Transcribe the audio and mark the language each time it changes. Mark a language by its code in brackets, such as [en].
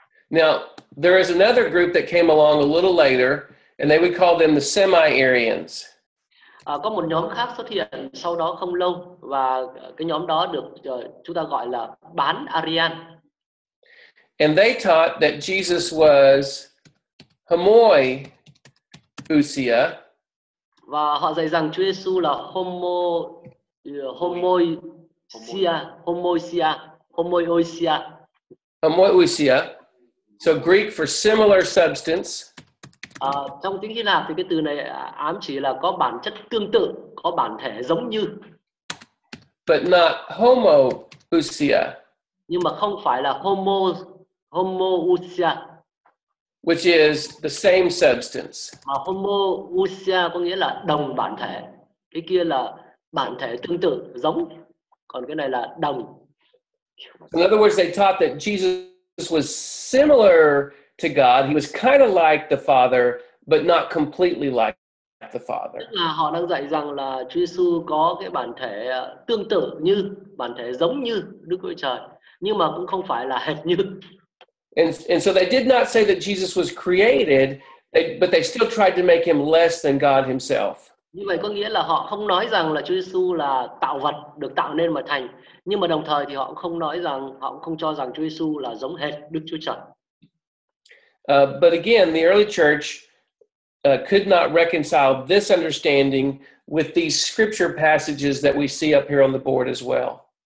[en] Now, there is another group that came along a little later, and they would call them the semi-Arians. [vi] Có một nhóm khác xuất hiện sau đó không lâu, và cái nhóm đó được chúng ta gọi là bán Arian. [en] And they taught that Jesus was homoiousia. [vi] Và họ dạy rằng Chúa Giêsu là homoiousia. [en] So Greek for similar substance. [vi] Trong tiếng Hy Lạp thì cái từ này ám chỉ là có bản chất tương tự, có bản thể giống như. [en] But not homoousia. [vi] Nhưng mà không phải là homoousia. [en] Which is the same substance. [vi] Mà homoousia có nghĩa là đồng bản thể. Cái kia là bản thể tương tự, giống. Còn cái này là đồng. [en] In other words, they taught that Jesus was similar to God. He was kind of like the Father, but not completely like the Father. [vi] Tức là họ đang dạy rằng là Chúa Giêsu có cái bản thể tương tự như, bản thể giống như Đức Chúa Trời, nhưng mà cũng không phải là hệt như. [en] And so they did not say that Jesus was created, but they still tried to make him less than God himself. [vi] Như vậy có nghĩa là họ không nói rằng là Chúa Giêsu là tạo vật được tạo nên mà thành. Nhưng mà đồng thời thì họ cũng không nói rằng, họ cũng không cho rằng Chúa Giêsu là giống hệt Đức Chúa Trời. [en] But again, the early church could not reconcile this understanding with these scripture passages that we see up here on the board as well.